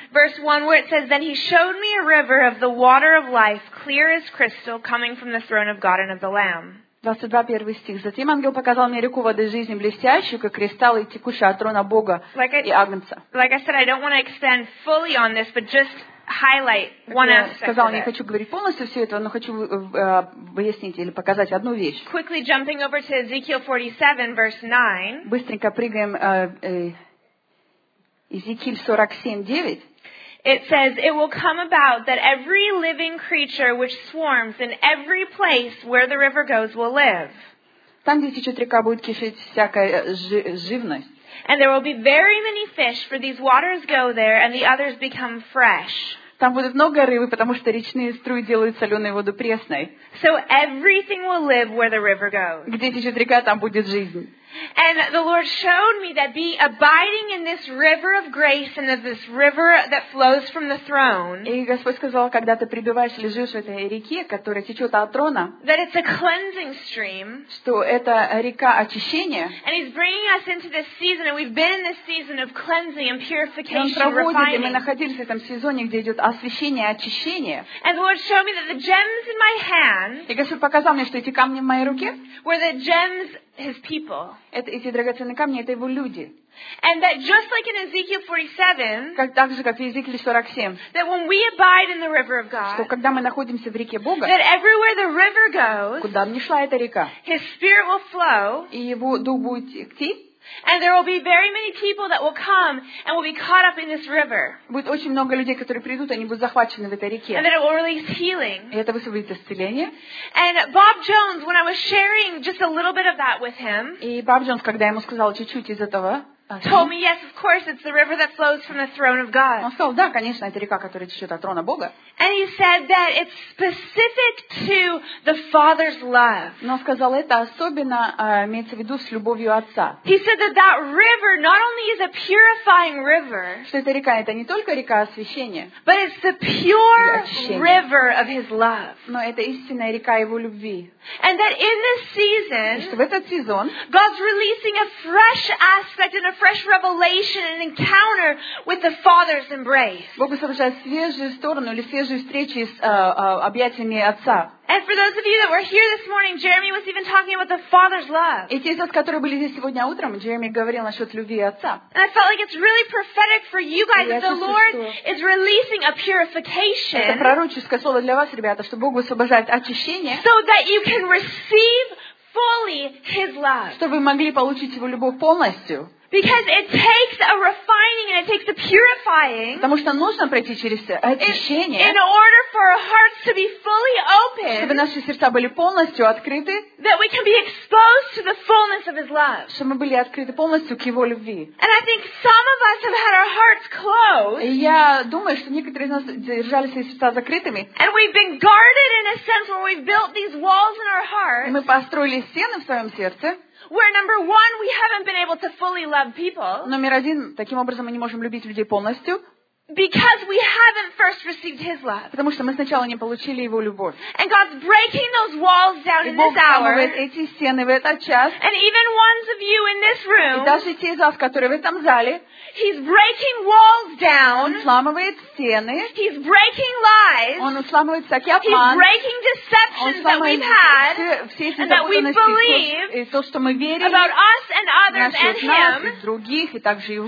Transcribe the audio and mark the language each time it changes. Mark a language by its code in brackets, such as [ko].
[en] Verse 1 where it says then he showed me a river of the water of life clear as crystal coming from the throne of God and of the Lamb. [ru] 22, первый стих. Затем ангел показал мне реку воды жизни блестящую, как кристалл и текущую от трона Бога и Агнца. [en] Like I said, I don't want to extend fully on this, but just highlight one aspect. [ru] Я сказал, не хочу говорить полностью все это, но хочу объяснить или показать одну вещь. [en] Quickly jumping over to Ezekiel 47, verse 9. [ru] Быстренько прыгаем Ezekiel 47:9. [en] It says, it will come about that every living creature which swarms in every place where the river goes will live. [ru] Там, где течет река, будет кишеть всякая живность. [en] And there will be very many fish, for these waters go there, and the others become fresh. [ru] Там будет много рыбы, потому что речные струи делают соленую воду пресной. [en] So everything will live where the river goes. [ru] Где течет река, там будет жизнь. [en] And the Lord showed me that be abiding in this river of grace and of this river that flows from the throne. [ru] И Господь сказал, когда ты пребываешь или живешь в этой реке, которая течет от трона, [en] that it's a cleansing stream. [ru] Что это река очищения. [en] And He's bringing us into this season, and we've been in this season of cleansing and purification. [ru] И Он проводит, и мы находились в этом сезоне, где идет освящение, очищение. [en] And the Lord showed me that the gems in my hand. [ru] И Господь показал мне, что эти камни в моей руке. [en] Were the gems His people. [ru] Это эти драгоценные камни, это его люди. [en] And that just like in Ezekiel 47, [ru] как так же, как в Иезекииле 47, [en] that when we abide in the river of God, [ru] что когда мы находимся в реке Бога, [en] that everywhere the river goes, [ru] куда бы ни шла эта река, [en] His spirit will flow, [ru] и его дух будет идти. [en] And there will be very many people that will come and will be caught up in this river. [ru] Будет очень много людей, которые придут, они будут захвачены в этой реке. [en] And then it will release healing. [ru] И это вызовет исцеление. [en] And Bob Jones, when I was sharing just a little bit of that with him, [ru] и Боб Джонс, когда я ему сказала чуть-чуть из этого, [en] told me, yes, of course, it's the river that flows from the throne of God. [ru] Он сказал, да, конечно, это река, которая течет от трона Бога. [en] And he said that it's specific to the Father's love. [ru] Но сказал, это особенно имеется в виду с любовью Отца. [en] He said that that river not only is a purifying river, [ru] что эта река, это не только река освящения, [en] but it's the pure river of His love. [ru] Но это истинная река Его любви. [en] And that in this season, [ru] и что в этот сезон, [en] God's releasing a fresh aspect and a fresh revelation and encounter with the Father's embrace. [ru] Бог совершает свежую сторону или свежую встречу с объятиями Отца. [en] And for those of you that were here this morning, Jeremy was even talking about the Father's love. [ru] И те из вас, которые были здесь сегодня утром, Джереми говорил насчет любви Отца. [en] And I felt like it's really prophetic for you guys that the Lord is releasing a purification. [ru] Это пророческое слово для вас, ребята, что Бог высвобождает очищение. [en] So that you can receive fully His love. [ru] Чтобы вы могли получить Его любовь полностью. [en] Because it takes a refining and it takes a purifying. [ru] Потому что нужно пройти через очищение. [en] In order for our hearts to be fully open. [ru] Чтобы наши сердца были полностью открыты. [en] That we can be exposed to the fullness of His love. [ru] Чтобы мы были открыты полностью к Его любви. [en] And I think some of us have had our hearts closed. [ru] И я думаю, что некоторые из нас держали свои сердца закрытыми. [en] And we've been guarded in a sense where we've built these walls in our hearts. [ru] И мы построили стены в своем сердце. [en] Where number one, we haven't been able to fully love people. [ru] Номер один, таким образом мы не можем любить людей полностью. [en] Because we haven't first received His love. [ru] Потому что мы сначала не получили Его любовь. [en] And God's breaking those walls down in this hour. [ru] И Бог ломает эти стены в этот час. [en] And even ones of you in this room. [ru] И даже те из вас, которые в этом зале. [en] He's breaking walls down. [ru] Он ломает стены. [en] He's breaking lies. [ru] Он ломает всякий обман. [en] He's breaking deceptions that we've had. And that we believe. [ru] И то, что мы верим. [en] About us and others and Him. [ru] Насчет нас и других, и также Его.